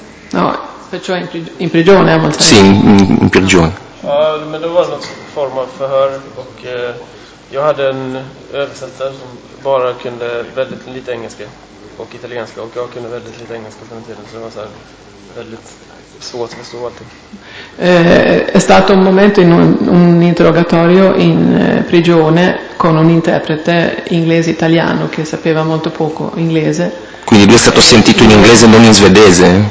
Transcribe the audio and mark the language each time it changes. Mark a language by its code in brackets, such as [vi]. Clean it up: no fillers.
[it] No, perciò in prigione, a molto. Sì, in prigione. [sv] Ja, men det var någon form av förhör och jag hade en översättare som bara kunde väldigt lite engelska och italienska, och jag kunde väldigt lite engelska på den tiden, så det var så här väldigt svårt att förstå allting. [it] È stato un momento in un interrogatorio in prigione con un interprete inglese-italiano che sapeva molto poco inglese. Quindi lui è stato sentito in inglese e non in svedese?